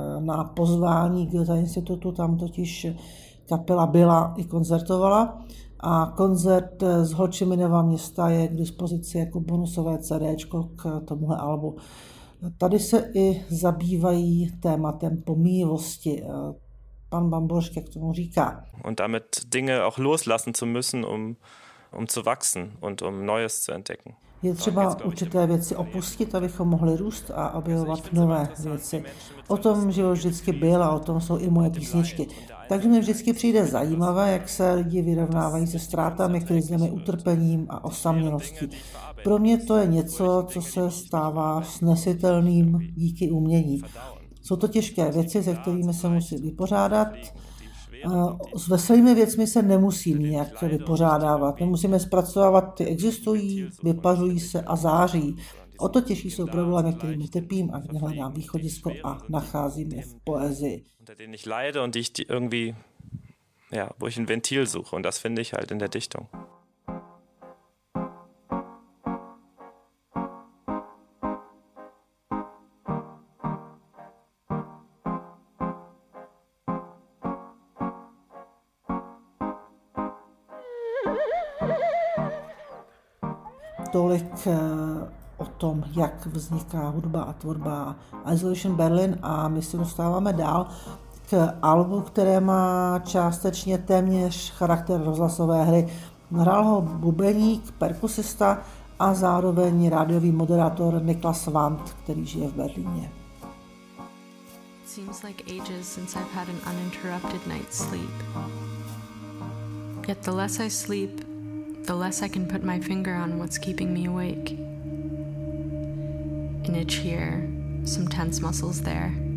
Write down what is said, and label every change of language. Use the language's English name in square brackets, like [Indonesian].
[Czech] Na pozvání Goethe institutu tam totiž kapela byla i koncertovala. A koncert z Ho Chi Minhova města je k dispozici jako bonusové CDčko k tomuhle albu. Tady se i zabývají tématem pomíjivosti. Pan Bambošek, jak tomu říká. [German] Und damit Dinge auch loslassen zu müssen, zu wachsen und Neues zu entdecken. [Czech] Je třeba určité věci opustit, abychom mohli růst a objevovat nové věci. O tom život vždycky byl a o tom jsou i moje písničky. Takže mi vždycky přijde zajímavé, jak se lidi vyrovnávají se ztrátami, krizemi, utrpením a osamělostí. Pro mě to je něco, co se stává snesitelným díky umění. Jsou to těžké věci, se kterými se musí vypořádat. S veselými věcmi se nemusí nijak vypořádávat. Nemusíme zpracovávat, ty existují, vypařují se a září. O to těžší jsou problémy, kterými trpím a vyhledám východisko a nacházím je v poezii. [German] Unter denen ich leide und ich irgendwie, ja, wo ich ein Ventil suche und das finde ich halt in der Dichtung. [Czech] Tolik o tom, jak vzniká hudba a tvorba Isolation Berlin a my se dostáváme dál k albu, které má částečně téměř charakter rozhlasové hry. Hrál ho bubeník, perkusista a zároveň rádiový moderátor Niklas Wand, který žije v Berlíně. [English] Seems like ages since I've had an uninterrupted night's sleep. Yet the less I sleep, the less I can put my finger on what's keeping me awake. An itch here, some tense muscles there.